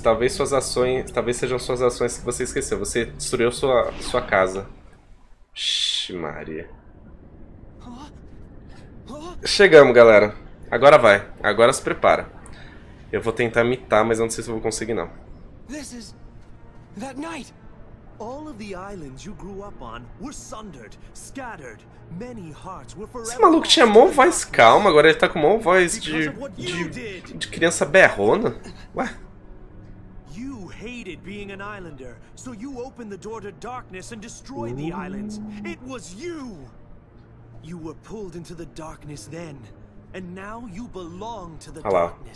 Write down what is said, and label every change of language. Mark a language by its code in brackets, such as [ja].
[pt] Talvez suas ações... Talvez sejam suas ações que você esqueceu. Você destruiu sua casa. Xiii, Maria. Chegamos, galera. Agora vai. Agora se prepara. Eu vou tentar imitar, mas não sei se eu vou conseguir, não. Isso é... aquela noite! [en] All of the islands you grew up on were sundered, scattered. Many hearts were forever. [pt] Esse maluco tinha mó voz calma, agora ele tá com mó voz de criança berrona. Ué? [en] You hated being an islander, so you opened the door to darkness and destroyed the islands. It was you. You were pulled into the darkness then, and now you belong to the darkness.